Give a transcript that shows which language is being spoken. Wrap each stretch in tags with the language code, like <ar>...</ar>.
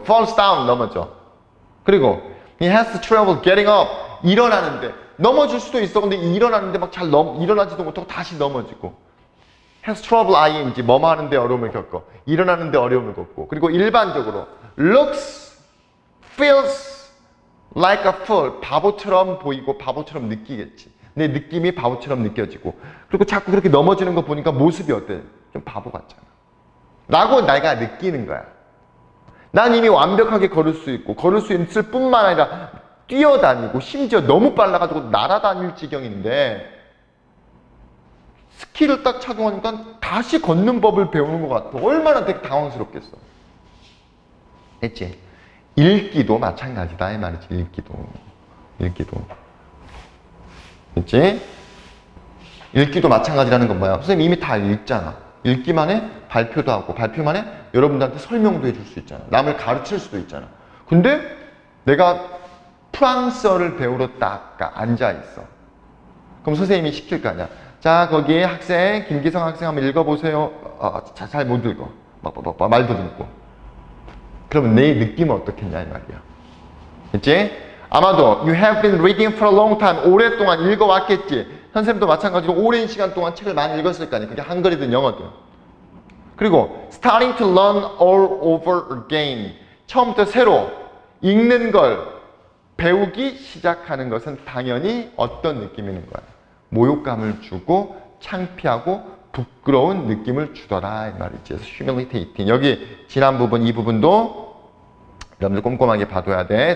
<en>Falls down,</en> <ko>넘어져. 그리고</ko> <en>He has to trouble getting up,</en> <ko>일어나는데. 넘어질 수도 있어. 근데 일어나는데 막 잘 일어나지도 못하고 다시 넘어지고.</ko> <en>Has trouble ing,</en> <ko>뭐뭐 하는데 어려움을 겪어. 일어나는데 어려움을 겪고. 그리고 일반적으로</ko> <en>looks, feels like a fool.</en> <ko>바보처럼 보이고 바보처럼 느끼겠지. 내 느낌이 바보처럼 느껴지고. 그리고 자꾸 그렇게 넘어지는 거 보니까 모습이 어때? 좀 바보 같잖아. 라고 내가 느끼는 거야. 난 이미 완벽하게 걸을 수 있고 걸을 수 있을 뿐만 아니라 뛰어다니고 심지어 너무 빨라가지고 날아다닐 지경인데 스키를 딱 착용하니까 다시 걷는 법을 배우는 것 같아. 얼마나 되게 당황스럽겠어. 했지? 읽기도 마찬가지다 이 말이지. 읽기도 그치? 읽기도 마찬가지라는 건 뭐야? 선생님 이미 다 읽잖아. 읽기만 해? 발표도 하고 발표만 해? 여러분들한테 설명도 해줄 수 있잖아. 남을 가르칠 수도 있잖아. 근데 내가 프랑스어를 배우러 딱 앉아있어. 그럼 선생님이 시킬 거 아니야. 자, 거기 학생 김기성 학생 한번 읽어보세요. 잘 못 읽어. 막 말도 듣고. 그러면 내 느낌은 어떻겠냐 이 말이야. 그치? 아마도</ko> <en>You have been reading for a long time.</en> <ko>오랫동안 읽어왔겠지. 선생님도 마찬가지로 오랜 시간 동안 책을 많이 읽었을 거 아니야. 그게 한글이든 영어든. 그리고</ko> <en>Starting to learn all over again.</en> <ko>처음부터 새로 읽는 걸 배우기 시작하는 것은 당연히 어떤 느낌인 거야. 모욕감을 주고 창피하고 부끄러운 느낌을 주더라 이 말이지.</ko> <en>Humiliating.</en> <ko>여기 지난 부분 이 부분도 여러분들 꼼꼼하게 봐둬야 돼.</ko>